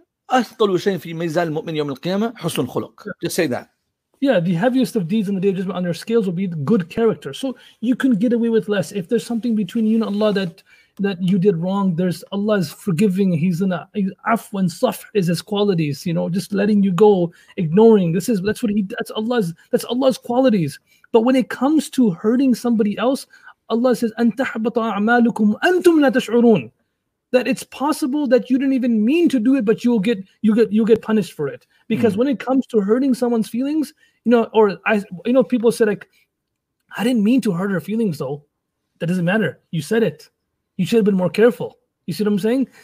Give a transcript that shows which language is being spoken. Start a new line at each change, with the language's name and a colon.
Arabic: أثقل شيء في ميزان المؤمن يوم القيامة حسن خلق.
English: Just say that. Yeah, the heaviest of deeds in the day of judgment on your scales will be good character. So you can get away with less. If there's something between you and Allah that you did wrong, there's Allah is forgiving. He's in a afw and saf is his qualities. You know, just letting you go, ignoring. That's Allah's qualities. But when it comes to hurting somebody else, Allah says
Arabic: أن تحبط أعمالكم أنتم لا تشعرون.
English: That it's possible that you didn't even mean to do it, but you'll get punished for it. Because when it comes to hurting someone's feelings, you know, or I, you know, people say like, I didn't mean to hurt her feelings though. That doesn't matter. You said it. You should have been more careful. You see what I'm saying?